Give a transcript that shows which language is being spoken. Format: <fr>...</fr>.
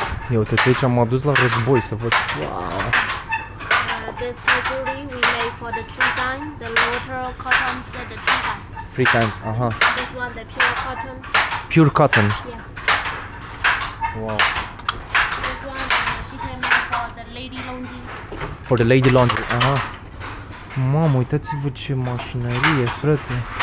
<ro>Ia uite, aici m-a dus la război să văd.</ro> <en>Wow. This factory we made for the three times, the water cotton said the three times. Three times, aha. Uh-huh. This one the pure cotton. Pure cotton. Yeah. Wow. This one she can make for the lady laundry. For the lady laundry, aha. Uh-huh.</en> <ro>Mamă, uitați-vă ce mașinărie, frate.</ro>